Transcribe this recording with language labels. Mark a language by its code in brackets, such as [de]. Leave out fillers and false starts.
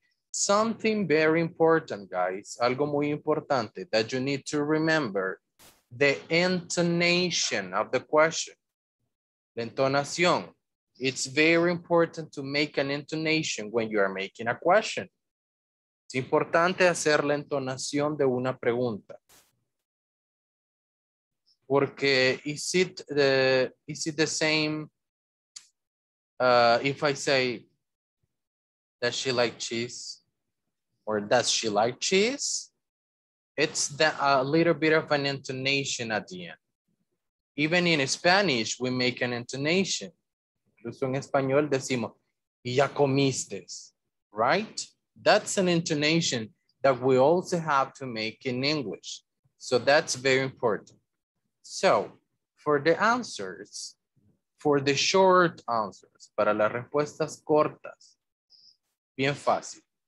[en] Something very important, guys, [es] algo muy importante [en] that you need to remember, the intonation of the question, [es] la entonación. [en] It's very important to make an intonation when you are making a question. [es] Es importante hacer la entonación de una pregunta. Porque [en] is it the same if I say, does she like cheese? Or does she like cheese? It's a little bit of an intonation at the end. Even in Spanish, we make an intonation. [es] Incluso en español decimos, y ya comiste, right? [en] That's an intonation that we also have to make in English. So that's very important. So for the answers, for the short answers, [es] para las respuestas cortas, bien fácil.